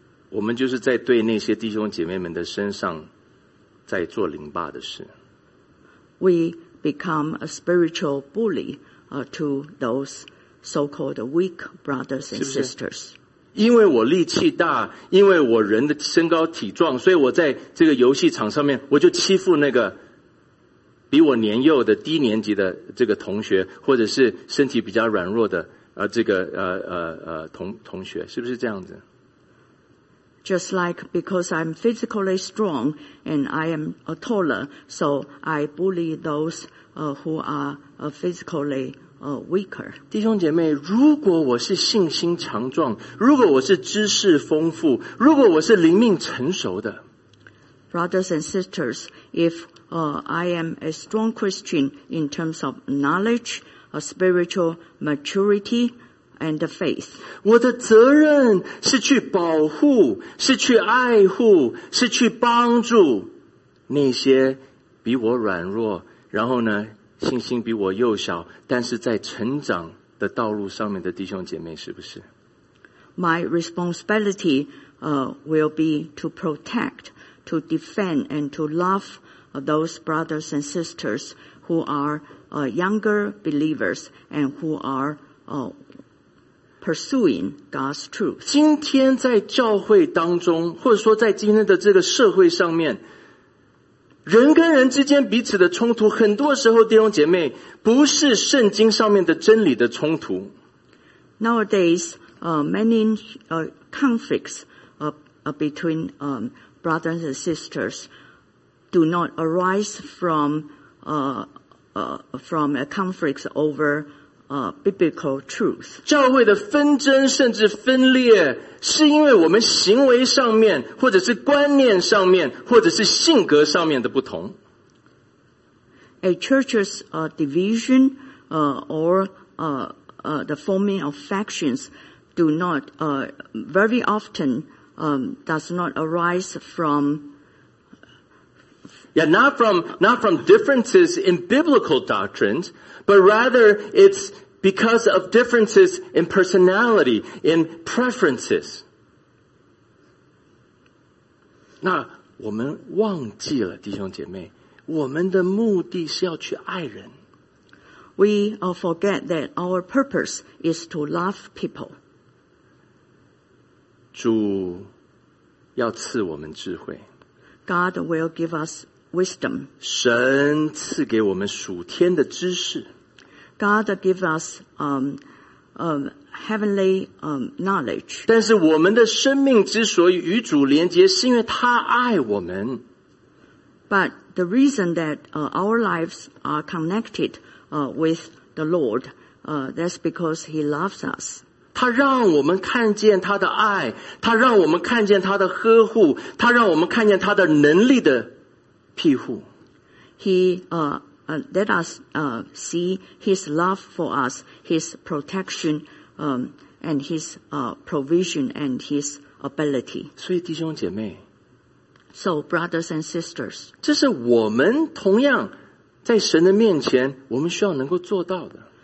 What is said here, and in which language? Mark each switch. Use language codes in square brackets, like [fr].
[zh] 我们就是在对那些弟兄姐妹们的身上在做凌霸的事。 [en] We become a spiritual bully to those so-called weak brothers and sisters. [zh] 因为我力气大, 因为我人的身高体壮, 所以我在这个游戏场上面, 我就欺负那个比我年幼的, 低年级的这个同学, 或者是身体比较软弱的, 这个同学, 是不是这样子? [en] Just like because I'm physically strong and I am taller, so I bully those who are physically weaker. [zh] 弟兄姐妹, 如果我是信心强壮, 如果我是知识丰富, 如果我是灵命成熟的, [en] Brothers and sisters, if I am a strong Christian in terms of knowledge, spiritual maturity, and the faith. [zh] 我的责任是去保护, 是去爱护, 是去帮助那些比我软弱, 然后呢, 信心比我幼小, 但是在成长的道路上面的弟兄姐妹, 是不是? [en] My responsibility will be to protect, to defend, and to love those brothers and sisters who are younger believers and who are pursuing God's truth. [zh] 今天在教会当中, 或者说在今天的这个社会上面, 人跟人之间彼此的冲突, 很多时候弟兄姐妹, 不是圣经上面的真理的冲突。 [en] Nowadays, many conflicts between brothers and sisters do not arise from a conflict over biblical truth. [zh] 教会的纷争甚至分裂, 是因为我们行为上面, 或者是观念上面, 或者是性格上面的不同。 [en] A church's division the forming of factions do not very often does not arise from not from differences in biblical doctrines, but rather it's because of differences in personality, in preferences. [zh] 那我们忘记了弟兄姐妹, 我们的目的是要去爱人。 [en] We forget that our purpose is to love people. [zh] 主要赐我们智慧。 [en] God will give us wisdom. [zh] 神赐给我们属天的知识。 [en] God give us heavenly knowledge. [zh] 但是我们的生命之所以与主连结，是因为他爱我们。 [en] But the reason that our lives are connected with the Lord, that's because He loves us. [zh] 他让我们看见他的爱，他让我们看见他的呵护，他让我们看见他的能力的庇护。 [en] He let us see His love for us, His protection, and His provision and His ability. [zh] 所以弟兄姐妹。 [en] So, brothers and sisters, [zh] 这是我们同样在神的面前我们需要能够做到的。